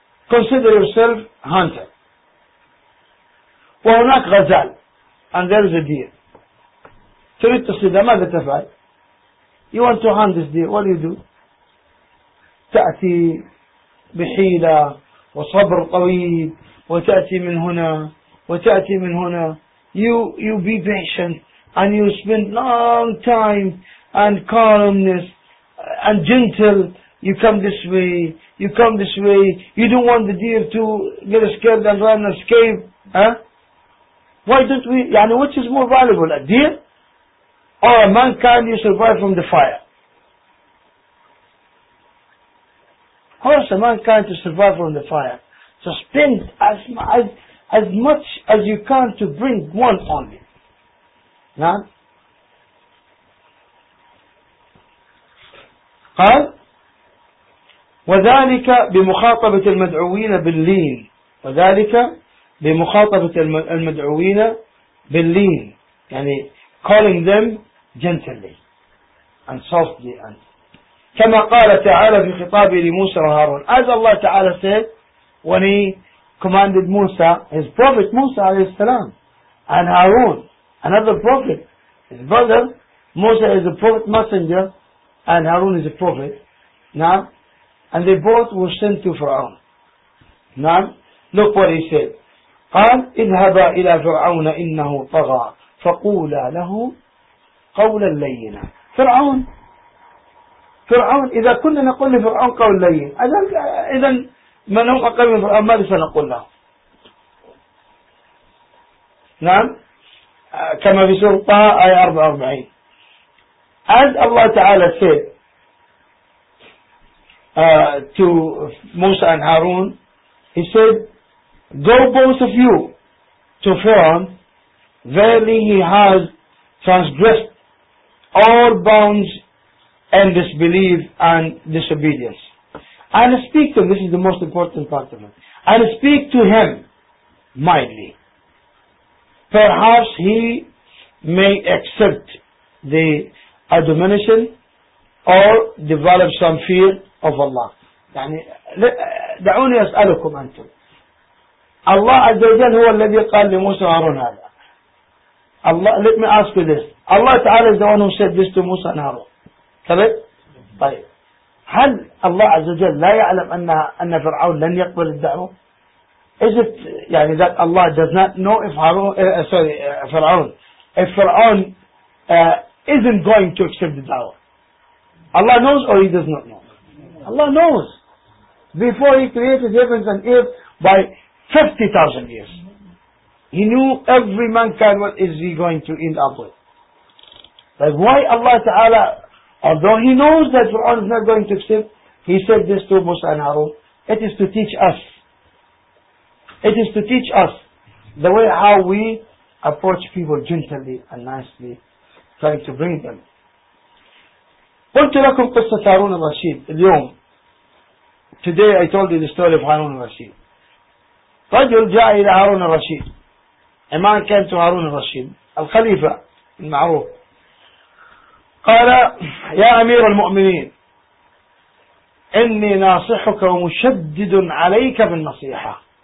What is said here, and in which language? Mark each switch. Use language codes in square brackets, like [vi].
[en] Consider yourself hunter. [ar] وهناك غزال, [en] and there is a deer. [ar] تريد تصيده, ماذا تفعل؟ [en] You want to hunt this deer, what do you do? [ar] تأتي بحيلة وصبر طويل وتأتي من هنا وتأتي من هنا. [en] You be patient and you spend long time and calmness and gentle. You come this way, you come this way. You don't want the deer to get scared and run and escape. Huh? Why don't we, يعني, which is more valuable, a deer or a mankind you survive from the fire? Force a mankind to survive from the fire. So spend as much as you can to bring one only. [ar] Now, قال وذلك بمخاطبة المدعوين باللين. وذلك بمخاطبة المدعوين باللين. [en] يعني calling them gently and softly. [ar] And كما قال تعالى في خطابه لموسى وهارون. [en] As Allah Ta'ala said when he commanded Musa, his prophet Musa alayhi salam, and Harun, another prophet, his brother. Musa is a prophet messenger and Harun is a prophet. Now, and they both were sent to Fir'aun. Now, look what he said. [ar] قال اذهبا إلى فرعون إنه طغى فقولا له قولا لينا. فرعون إذا كنا نقول لفرعون قول لين, إذن من هم أقل من فرعون ماذا سنقول له؟ نعم, كما في سورة طه آية 44. [en] As Allah Ta'ala said to Musa and Harun, he said, go both of you to Pharaoh, verily he has transgressed all bounds and disbelief and disobedience. And speak to him, this is the most important part of it, and speak to him mildly. Perhaps he may accept the admonition or develop some fear of Allah. [ar] يعني دعوني أسألكم أنتم. الله عز وجل هو الذي قال لموسى وهارون هذا. [en] Allah, let me ask you this. Allah Ta'ala is the one who said this to Musa and Harun. Correct? طيب. [ar] هل الله عز وجل لا يعلم أن فرعون لن يقبل الدعوة؟ [en] Is it, يعني, that Allah does not know if Harun, فرعون, if فرعون isn't going to accept the دعوة. Allah knows or he does not know? Allah knows. Before he created heavens and earth by 50,000 years, he knew every mankind what is he going to end up with. Like why Allah Ta'ala, although he knows that Fir'aun is not going to accept, he said this to Musa and Harun. It is to teach us. It is to teach us the way how we approach people gently and nicely, trying to bring them. [ar] قلت لكم قصة هارون الرشيد اليوم. [en] Today I told you the story of Harun al-Rashid. [ar] رجل جاء إلى هارون الرشيد. [en] A man came to Harun al-Rashid, [ar] الخليفة المعروف. قال يا أمير المؤمنين إني ناصحك ومشدد عليك بالنصيحة.